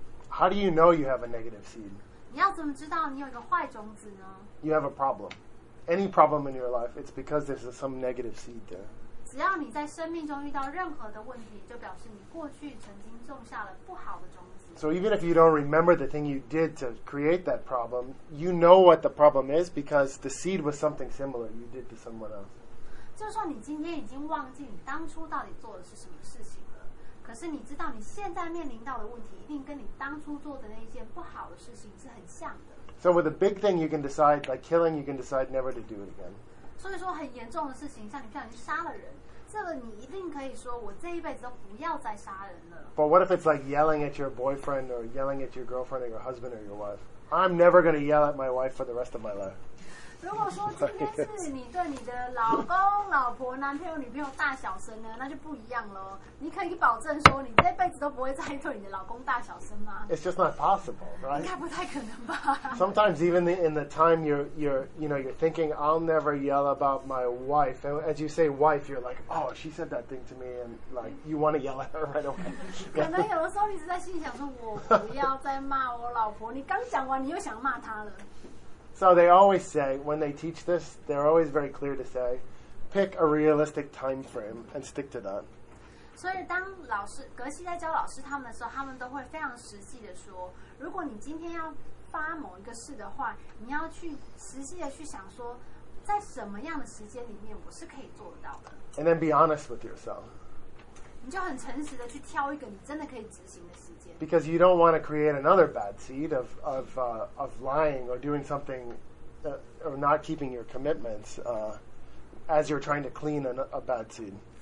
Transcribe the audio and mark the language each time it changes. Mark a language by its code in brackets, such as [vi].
[en] How do you know you have a negative seed? You have a problem. Any problem in your life, it's because there's some negative seed there. [zh] 只要你在生命中遇到任何的问题，就表示你过去曾经种下了不好的种子。 [en] So even if you don't remember the thing you did to create that problem, you know what the problem is because the seed was something similar you did to someone else. [zh] 就算你今天已经忘记你当初到底做的是什么事情了, 可是你知道你现在面临到的问题一定跟你当初做的那件不好的事情是很像的。 [en] So with a big thing you can decide, like killing, you can decide never to do it again. [zh] 所以说很严重的事情，像你不小心杀了人，这个你一定可以说我这一辈子都不要再杀人了。 [en] But what if it's like yelling at your boyfriend or yelling at your girlfriend or your husband or your wife? I'm never going to yell at my wife for the rest of my life. [zh] 如果说今天是你对你的老公、老婆、男朋友、女朋友大小声呢，那就不一样咯。你可以保证说你这辈子都不会再对你的老公大小声吗？ [en] It's just not possible, right? [zh] 应该不太可能吧。 [en] Sometimes even in the time you're thinking, I'll never yell about my wife. And as you say wife, you're like, oh, she said that thing to me. And like, you want to yell at her right away. [zh] 可能有的时候你是在心里想说我不要再骂我老婆。你刚讲完你又想骂她了。 [en] So they always say, when they teach this, they're always very clear to say, pick a realistic time frame and stick to that. [zh] 所以当老师格西在教老师他们的时候，他们都会非常实际的说，如果你今天要发某一个事的话，你要去实际的去想说，在什么样的时间里面我是可以做得到的。 [en] And then be honest with yourself. [zh] 你就很诚实的去挑一个你真的可以执行的事。 [en] Because you don't want to create another bad seed of lying or doing something or not keeping your commitments as you're trying to clean a bad seed.